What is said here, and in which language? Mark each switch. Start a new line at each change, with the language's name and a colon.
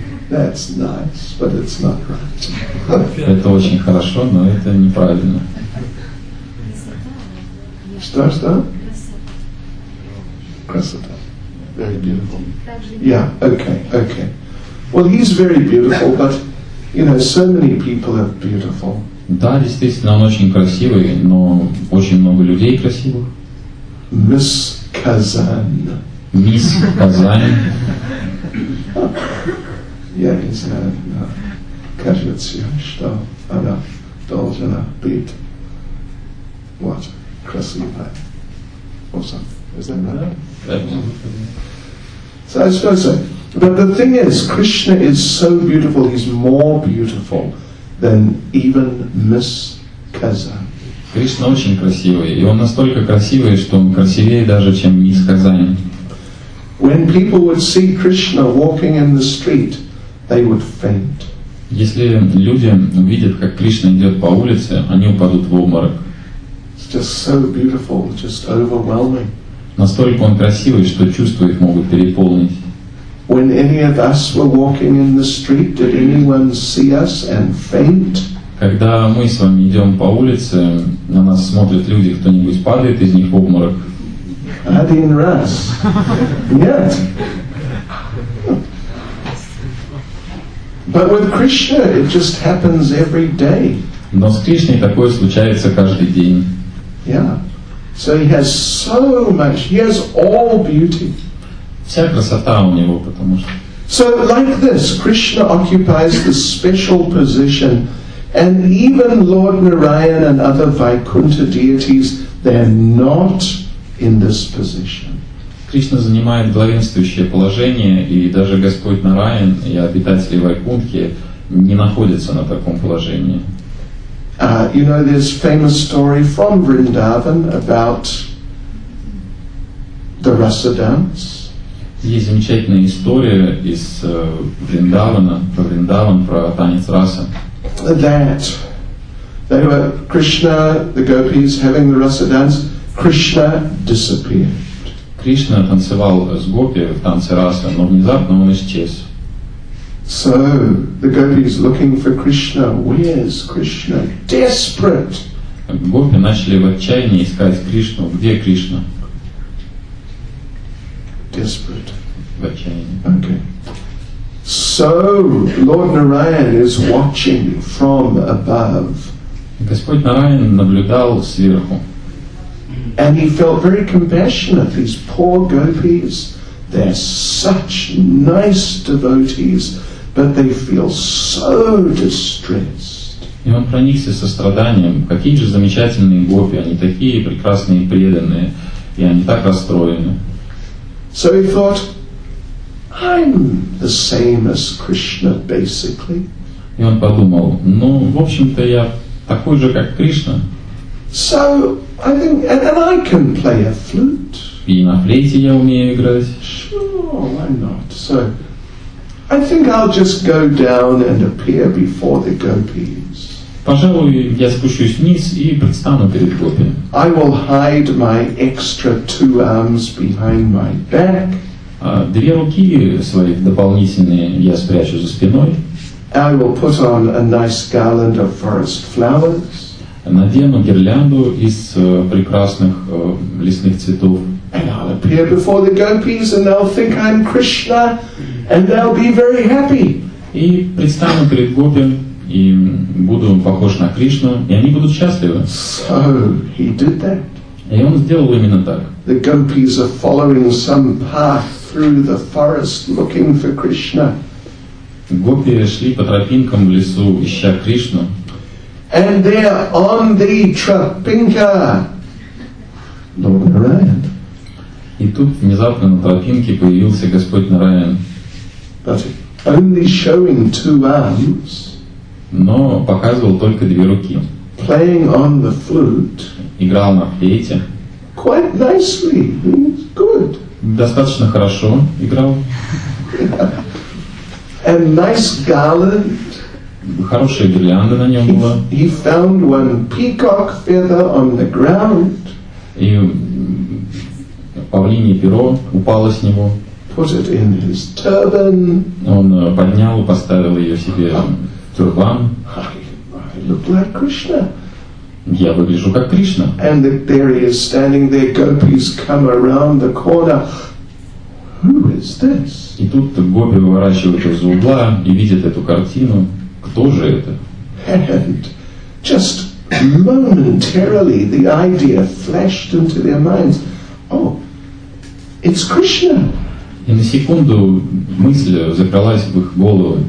English: That's nice, but it's not right.
Russian: Это очень хорошо, но это неправильно. Что, что? Красота.
English: Very beautiful. Yeah, okay, okay. Well, he's very beautiful, but, you know, so many people are beautiful.
Russian: Да, действительно, он очень красивый, но очень много людей красивых. Мисс Казан. Мисс Казан. Я не знаю, кажется, что она должна быть вот красивая.
English: Awesome. Is that right? So I suppose so. But the thing is, Krishna is so beautiful, he's more beautiful than even Miss Kazan.
Russian: Krishna очень красивый, и он настолько красивый, что он красивее даже, чем Miss Kazan.
English: When people would see Krishna walking in the street, they would faint.
Russian: Если люди увидят, как Кришна идет по улице, они упадут в обморок.
English: It's just so beautiful, just overwhelming.
Russian: Настолько он красивый, что чувства их могут переполнить.
English: When any of us were walking in the street, did anyone see us and faint?
Russian: Когда мы с вами идем по улице, на нас смотрят люди, кто-нибудь падает из них в обморок? Один раз. Нет.
English: But with Krishna, it just happens every day.
Russian: Но с Кришной такое случается каждый день.
English: Yeah. So he has so much. He has all beauty.
Russian: Вся красота у него, потому что.
English: So like this, Krishna occupies the special position, and even Lord Narayan and other Vaikuntha deities, they're not in this position.
Russian: Кришна занимает главенствующее положение, и даже Господь Нараян и обитатели Вайкунтхи не находятся на таком положении.
English: You know, there's famous story from Vrindavan about the rasa dance.
Russian: Есть замечательная история из Вриндавана, про Вриндаван, про танец раса.
English: That they were Krishna, the gopis having the rasa dance, Krishna disappeared.
Russian: Кришна танцевал с гопи в танце раса, но внезапно он исчез.
English: So the gopis looking for Krishna, where's Krishna? Desperate.
Russian: Гопи начали в отчаянии искать Кришну. Где Кришна?
English: Desperate.
Russian: В отчаянии.
English: Okay. So Lord Narayan is watching from above.
Russian: Господь Нараян наблюдал сверху.
English: And he felt very compassionate. These poor gopis, they're such nice devotees, but they feel so distressed.
Russian: И он проникся состраданием. Какие же замечательные гопи, они такие прекрасные и преданные, и они так расстроены.
English: So he thought, I'm the same as Krishna, basically.
Russian: И он подумал, ну, в общем-то, я такой же, как Кришна.
English: So, I think, and I can play a flute.
Russian: И на флейте я умею играть.
English: Sure, why not? So, I think I'll just go down and appear before the gopis.
Russian: Пожалуй, я спущусь вниз и предстану перед гопи.
English: I will hide my extra two arms behind my back.
Russian: Две руки свои дополнительные я спрячу за спиной.
English: I will put on a nice garland of forest flowers.
Russian: Надену гирлянду из прекрасных лесных цветов.
English: And I'll appear before the gopis and they'll think I'm Krishna and they'll be very happy.
Russian: И предстану перед гопи и буду похож на Кришну, и они будут счастливы.
English: So he did that.
Russian: И он сделал именно так.
English: The gopis are following some path through the forest looking for Krishna.
Russian: Гопи шли по тропинкам в лесу, ища Кришну.
English: And there on the tropinka, Lord Narayan.
Russian: И тут внезапно на тропинке появился Господь Нараян.
English: But only showing two arms.
Russian: Но показывал только две руки.
English: Playing on the flute.
Russian: Играл на флейте.
English: Quite nicely, good.
Russian: Достаточно хорошо играл.
English: A nice garland.
Russian: Хорошая гирлянда на нем была.
English: He found one peacock feather on the ground.
Russian: И павлинье перо упало с него.
English: Put it in his turban.
Russian: Он поднял, поставил ее себе в тюрбан.
English: I look like Krishna.
Russian: Я выгляжу как Кришна.
English: And there he is standing there. Gopis come around the corner. Who is this?
Russian: И тут гопи выворачивают из-за угла и видят эту картину. Кто же это?
English: And just momentarily the idea flashed into their minds. Oh, it's Krishna.
Russian: И на секунду мысль закралась в их голову.